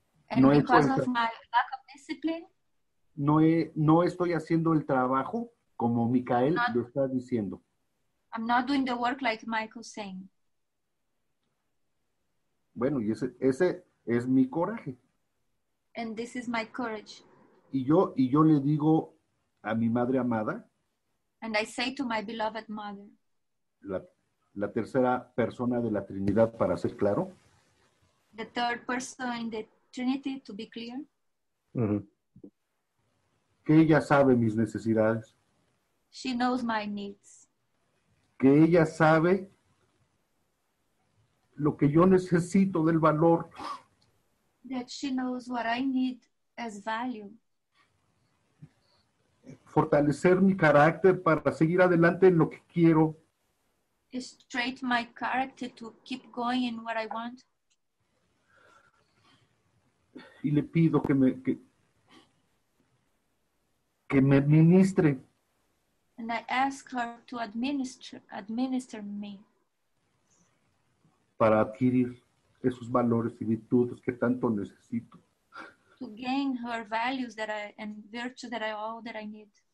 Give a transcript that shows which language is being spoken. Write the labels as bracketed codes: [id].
[en] and no because of my lack of discipline [es] no estoy haciendo el trabajo como Micael lo está diciendo. [en] I'm not doing the work like Michael saying. [es] Bueno, y ese es mi coraje. [en] And this is my courage. [es] Y yo le digo a mi madre amada. [en] And I say to my beloved mother. [es] La tercera persona de la Trinidad, para ser claro. [en] The third person in the Trinity, to be clear. [es] Mm-hmm. Que ella sabe mis necesidades. [en] She knows my needs. [es] Que ella sabe lo que yo necesito del valor. [en] That she knows what I need as value. [es] Fortalecer mi carácter para seguir adelante en lo que quiero. [en] Straighten my character to keep going in what I want. [es] Y le pido que me ministre. [en] And I ask her to administer me. [es] Para adquirir esos valores y virtudes que tanto necesito. [en] To gain her values and virtues that all that I need.